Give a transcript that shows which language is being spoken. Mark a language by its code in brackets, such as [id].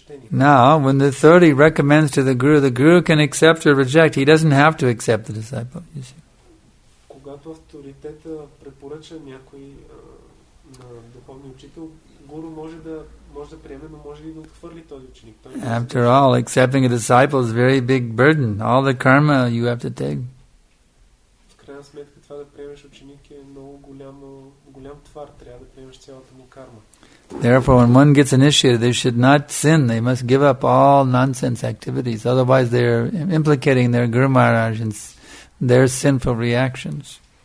[en] Now, when the authority recommends to the guru can accept or reject. He doesn't have to accept the disciple, you see. [bg] Когато авторитетът препоръча някой на духовен учител, гуру може да приеме, но може и да отхвърли този ученик. [en] After all, accepting a disciple is a very big burden. All the karma you have to take. [bg] В крайна сметка това да приемеш ученик е много голям товар, трябва да приемеш цялата му карма. [en] Therefore, when one gets initiated, they should not sin. They must give up all nonsense activities. Otherwise, they are implicating their Guru Maharaj in their sinful reactions.